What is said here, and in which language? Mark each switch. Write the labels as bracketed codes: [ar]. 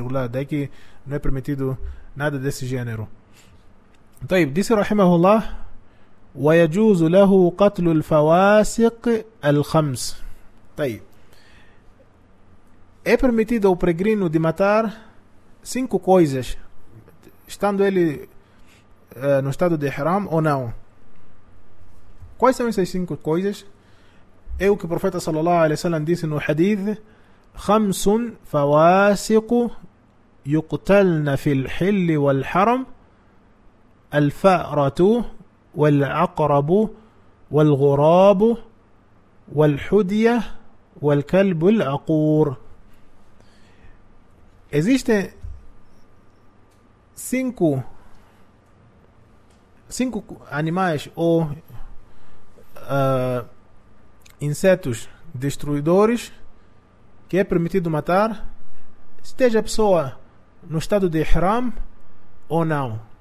[pt] Daí que não é permitido nada desse gênero. Então, disse Rahimahullah: [ar] وَيَجُوزُ لَهُ قَتْلُ الْفَوَاسِقِ الْخَمْسِ. [pt] Então, é permitido ao peregrino de matar cinco coisas, estando ele no estado de Ihram ou não. Quais são essas cinco coisas? É o que o profeta sallallahu alaihi wasallam disse no hadith: [ar] Khamsun fawasiqu yuqtalna fil hilli wal haram الفأرة والعقرب والغراب والحدية والكلب العقور. [pt] Existen cinco animais ou insetos destruidores que é permitido matar, esteja a pessoa no estado de ihram ou não.